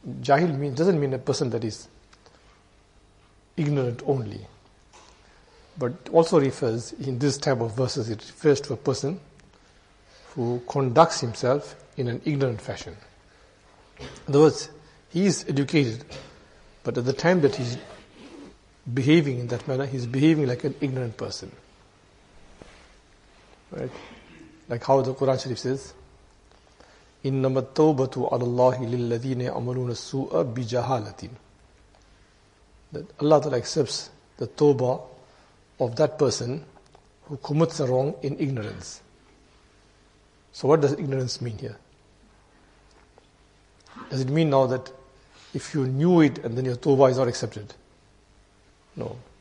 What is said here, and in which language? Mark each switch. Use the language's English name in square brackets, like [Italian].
[English] Jahil means, doesn't mean a person that is ignorant only, but also refers, in this type of verses, it refers to a person who conducts himself in an ignorant fashion. In other words, he is educated, but at the time that he's behaving in that manner, he's behaving like an ignorant person. Right? Like how the Quran Sharif says, [Arabic] إِنَّمَا التَّوْبَةُ عَلَى اللَّهِ لِلَّذِينَ يَعْمَلُونَ السُّوءَ بِجَهَالَةٍ. [English] That Allah Ta'ala accepts the tawbah of that person who commits a wrong in ignorance. So what does ignorance mean here? Does it mean now that if you knew it and then your tawbah is not accepted? No.